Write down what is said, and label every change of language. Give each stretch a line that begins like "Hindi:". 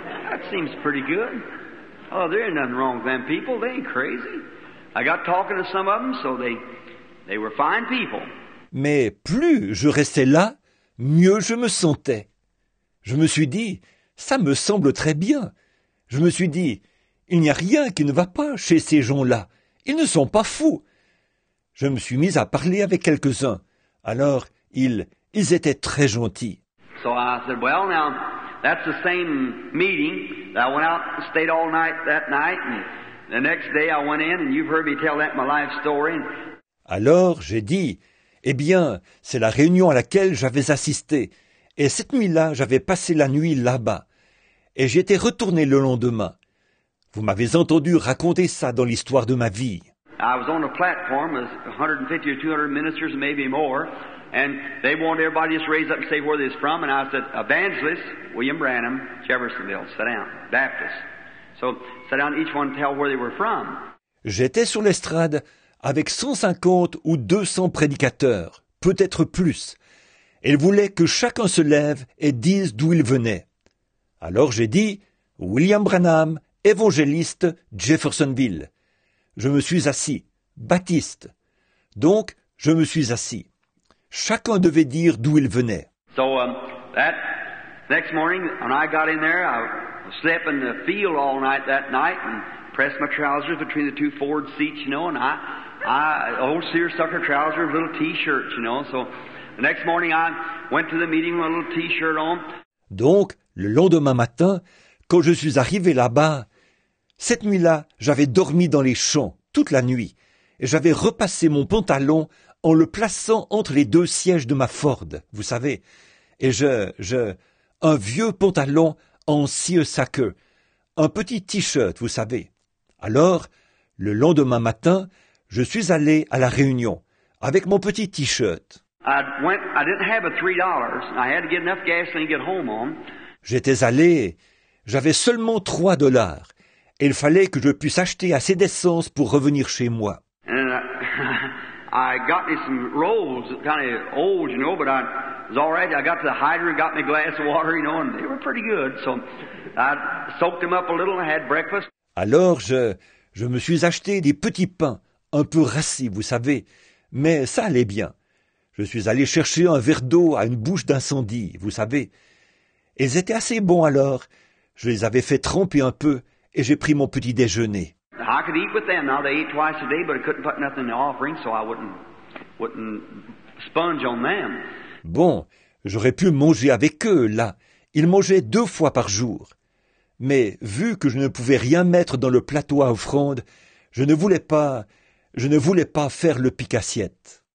English: That seems pretty good. Oh, there ain't nothing wrong with them people. They ain't crazy. I got talking to some of them, so they were fine people.
French: Mais plus je restais là, mieux je me sentais. Je me suis dit, ça me semble très bien. Je me suis dit, Il n'y a rien qui ne va pas chez ces gens-là. Ils ne sont pas fous. » Je me suis mis à parler avec quelques-uns. Alors, ils étaient très gentils.
English: So I said, well, now, that's the same meeting that I went out and stayed all night that night. And the next day, I went in, and you've heard me tell that my life story.
French: Alors, j'ai dit, eh bien, c'est la réunion à laquelle j'avais assisté. Et cette nuit-là, j'avais passé la nuit là-bas. Et j'étais retourné le lendemain. Vous m'avez entendu raconter ça dans l'histoire de ma vie.
English: I was on a platform with 150 or 200 ministers, maybe more. And they want everybody to just raise up and say where this is from. And I said, Evangelist William Branham, Jeffersonville, sit down, Baptist. So sit down, each one tell where they were from.
French: J'étais sur l'estrade avec 150 ou 200 prédicateurs, peut-être plus. Ils voulaient que chacun se lève et dise d'où il venait. Alors j'ai dit, William Branham, évangéliste, Jeffersonville. Je me suis assis, baptiste. Donc, je me suis assis. Chacun devait dire d'où il venait.
English: So, that next morning, when I got in there, I slept in the field all night that night and pressed my trousers between the two forward seats, you know, and I old seersucker trousers, little t-shirt, you know. So, the next morning, I went to the meeting with a little t-shirt on.
French: Donc, le lendemain matin, quand je suis arrivé là-bas, cette nuit-là, j'avais dormi dans les champs toute la nuit et j'avais repassé mon pantalon en le plaçant entre les deux sièges de ma Ford, vous savez. Et un vieux pantalon en seersucker, un petit t-shirt, vous savez. Alors, le lendemain matin, je suis allé à la réunion avec mon petit t-shirt.
English: I didn't have a $3. I had to get enough gasoline to get home on.
French: J'étais allé, j'avais seulement $3. Il fallait que je puisse acheter assez d'essence pour revenir chez moi.
English: I got me some rolls, kind of old, you know, but I was all right. I got to the hydrant, got me a glass of water, you know, and they were pretty good. So I soaked them up a little and had breakfast.
French: Alors, je me suis acheté des petits pains, un peu rassis, vous savez, mais ça allait bien. Je suis allé chercher un verre d'eau à une bouche d'incendie, vous savez. Ils étaient assez bons alors. Je les avais fait tremper un peu. Et j'ai pris mon petit déjeuner.
English: I could eat with them. Now they ate twice a day, but I couldn't put nothing in the offering, so I wouldn't sponge on them.
French: Bon, j'aurais pu manger avec eux là. Ils mangeaient deux fois par jour. Mais vu que je ne pouvais rien mettre dans le plateau à offrande, je ne voulais pas faire le pique-assiette.